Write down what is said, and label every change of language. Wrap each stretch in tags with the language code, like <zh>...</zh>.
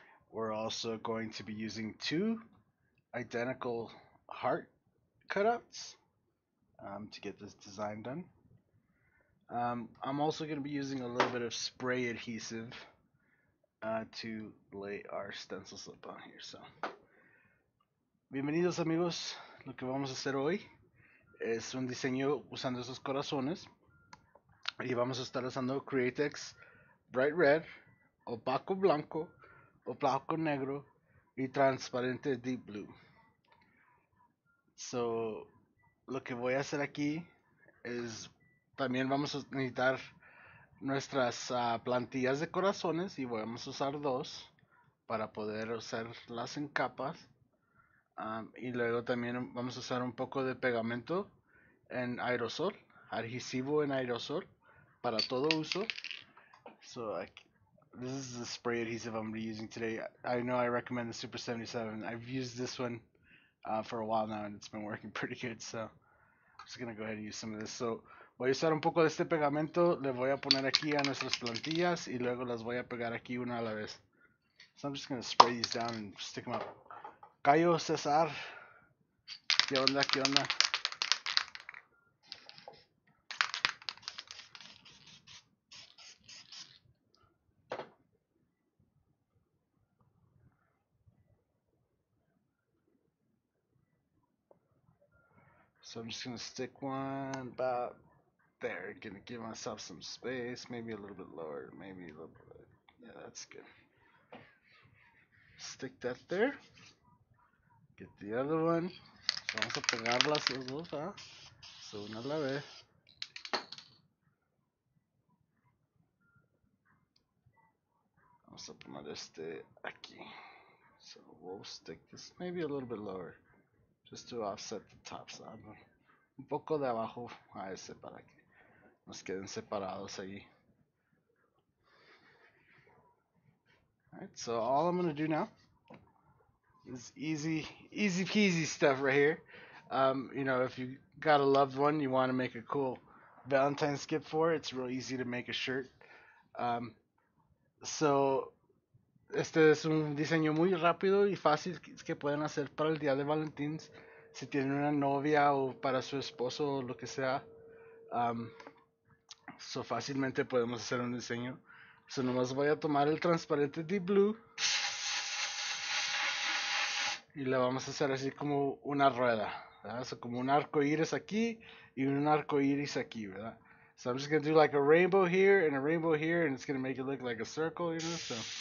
<en>We're also going to be using two identical heart cutouts to get this design done. I'm also going to be using a little bit of spray adhesive to lay our stencil slip on here.</en> <es>So, bienvenidos amigos. Lo que vamos a hacer hoy es un diseño usando esos corazones. Y vamos a estar usando Createx Bright Red, Opaco Blanco, Opaco Negro, y Transparente Deep Blue. So, lo que voy a hacer aquí es, también vamos a necesitar nuestras plantillas de corazones, y vamos a usar dos para poder hacerlas en capas. Y luego también vamos a usar un poco de pegamento en aerosol, adhesivo en aerosol, para todo uso. So, aquí.</es> <en>This is the spray adhesive I'm going to be using today. I know I recommend the Super 77. I've used this one for a while now, and it's been working pretty good. So I'm just going to go ahead and use some of this.</en> <es>So voy a usar un poco de este pegamento. Le voy a poner aquí a nuestras plantillas, y luego las voy a pegar aquí una a la vez.</es> <en>So I'm just going to spray these down and stick them up. Cayo Cesar.</en> <es>¿Qué onda? ¿Qué onda?</es> <en>So I'm just going to stick one about there. Going to give myself some space, maybe a little bit lower, maybe a little bit. Yeah, that's good. Stick that there. Get the other one.</en> <es>Vamos a pegar las dos, ¿ah? So una a la vez. Vamos a poner este aquí.</es> <en>So we'll stick this maybe a little bit lower, just to offset the top side.</en> <es>Un poco de abajo a ese para que nos queden separados ahí.</es> <en>Alright, so all I'm going to do now is easy peasy stuff right here. You know, if you got a loved one, you want to make a cool Valentine's gift for, it's real easy to make a shirt.</en> <es>So, este es un diseño muy rápido y fácil que pueden hacer para el día de Valentín's. Si tienen una novia o para su esposo o lo que sea, so fácilmente podemos hacer un diseño. So nomás voy a tomar el transparente Deep Blue y le vamos a hacer así como una rueda, ¿verdad? So como un arco iris aquí y un arco iris aquí, ¿verdad?</es> <en>So I'm just going to do like a rainbow here and a rainbow here, and it's going to make it look like a circle, you know, so...</en>